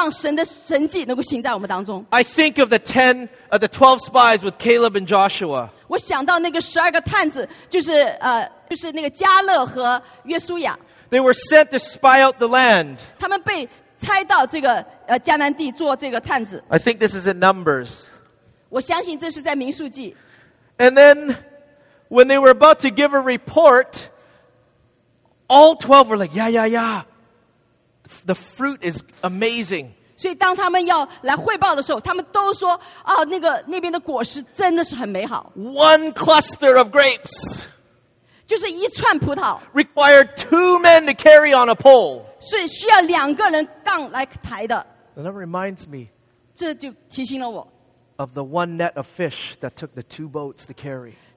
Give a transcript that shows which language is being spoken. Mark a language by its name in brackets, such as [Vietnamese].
[Chinese] 所以我们每一个世代都需要看到我们里面的缺乏，以至于我们能够超越我们所得着的，能够让神的神迹能够行在我们当中。 [English] I think of the 10 of the 12 spies with Caleb and Joshua. [Chinese] 我想到那个十二个探子，就是那个加勒和约书亚。 [English] They were sent to spy out the land. [Chinese] 他们被差到这个迦南地做这个探子。 [English] I think this is in Numbers. [Chinese] 我相信这是在民数记。 [English] And then, when they were about to give a report, all 12 were like, yeah, yeah, yeah. The fruit is amazing. [Chinese] 所以当他们要来汇报的时候，他们都说，哦，那个那边的果实真的是很美好。 [English] One cluster of grapes. [Chinese] 就是一串葡萄。 [English] Required two men to carry on a pole. [Chinese] 是需要两个人杠来抬的。 [English] And that reminds me. [Chinese] 这就提醒了我。 [English] Of the one net of fish that took the two boats to carry.